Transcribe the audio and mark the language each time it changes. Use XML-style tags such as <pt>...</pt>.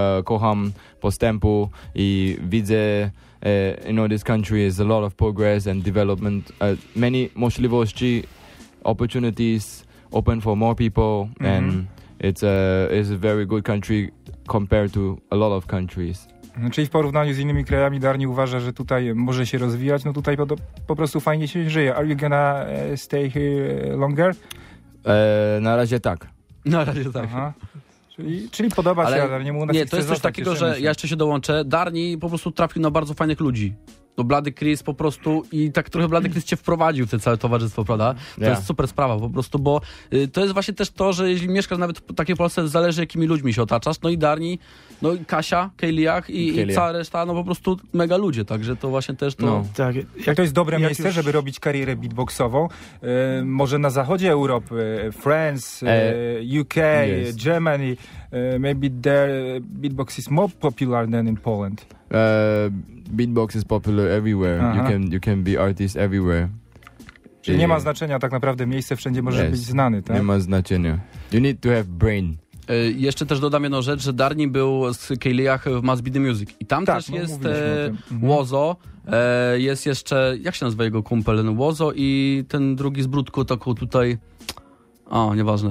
<pl>Kocham postępu i widzę,</pl> <en>you know, this country is a lot of progress and development. Many możliwości, opportunities open for more people, mm-hmm. and it's a very good country compared to a lot of countries.</en> <pl>No, czyli w porównaniu z innymi krajami Darni uważa, że tutaj może się rozwijać. No tutaj po prostu fajnie się żyje.</pl> <en>Are you gonna stay here longer?</en> <pl>Na razie tak. Na razie tak. Aha. Czyli podoba ale się Darniemu. Nie, to jest coś takiego, że ja jeszcze się dołączę. Darni po prostu trafił na bardzo fajnych ludzi. No Blady Chris po prostu i tak trochę Blady Chris cię wprowadził w te całe towarzystwo, prawda? To jest super sprawa po prostu, bo to jest właśnie też to, że jeśli mieszkasz nawet w takiej Polsce, zależy jakimi ludźmi się otaczasz. No i Darni, no i Kasia, Kejliach i cała reszta, no po prostu mega ludzie, także to właśnie też to... No. Tak, jak to jest dobre miejsce, już... żeby robić karierę beatboxową? Może na zachodzie Europy, France, UK, yes.</pl> <en>Germany, maybe there beatbox is more popular than in Poland. Beatbox is popular everywhere. Aha. You can be artist everywhere.</en> <pl>Czyli nie ma znaczenia tak naprawdę miejsce, wszędzie możesz być znany, tak? Nie ma znaczenia.</pl> <en>You need to have brain.</en> <pl>Jeszcze też dodam jedną rzecz, że Darni był z Kejliach w Must Be The Music. I tam tak, też jest Łozo. Jest jeszcze, jak się nazywa jego kumpel? Łozo i ten drugi z Brudku taką tutaj... O, nieważne.</pl>